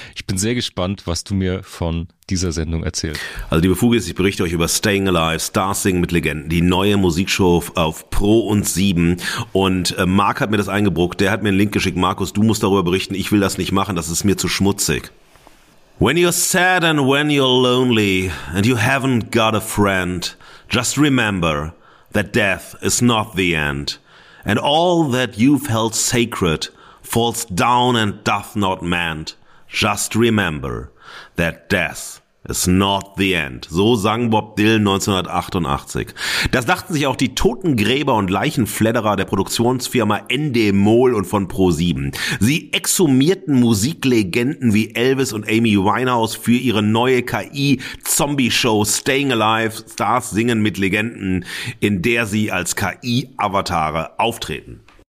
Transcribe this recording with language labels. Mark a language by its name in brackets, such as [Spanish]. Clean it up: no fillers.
[German] Ich bin sehr gespannt, was du mir von dieser Sendung erzählst. Also liebe Fugis, ich berichte euch über Staying Alive, Stars Singen mit Legenden, die neue Musikshow auf Pro und 7. Und Marc hat mir das eingebrockt, der hat mir einen Link geschickt. Markus, du musst darüber berichten, ich will das nicht machen, das ist mir zu schmutzig. [English] When you're sad and when you're lonely and you haven't got a friend, just remember that death is not the end, and all that you've held sacred falls down and doth not mend. Just remember that death is not the end. [German] So sang Bob Dylan 1988. Das dachten sich auch die Totengräber und Leichenfledderer der Produktionsfirma Endemol und von Pro7. Sie exhumierten Musiklegenden wie Elvis und Amy Winehouse für ihre neue KI-Zombie-Show Staying Alive, Stars singen mit Legenden, in der sie als KI-Avatare auftreten.